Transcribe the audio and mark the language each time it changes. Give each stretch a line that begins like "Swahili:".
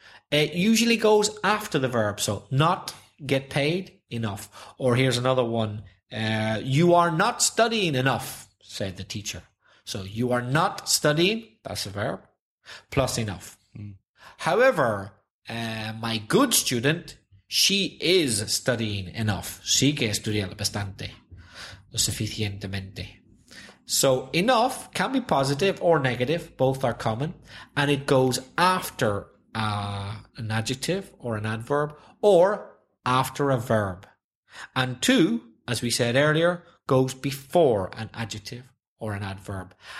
English: It usually goes after the verb. So not get paid enough. Or here's another one. You are not studying enough, said the teacher. So you are not studying, that's a verb, plus enough. Mm. However, my good student, she is studying enough.
Spanish: Sí que estudia bastante, lo suficientemente.
English: So enough can be positive or negative, both are common, and it goes after an adjective or an adverb or after a verb. And two, as we said earlier, goes before an adjective or an adverb.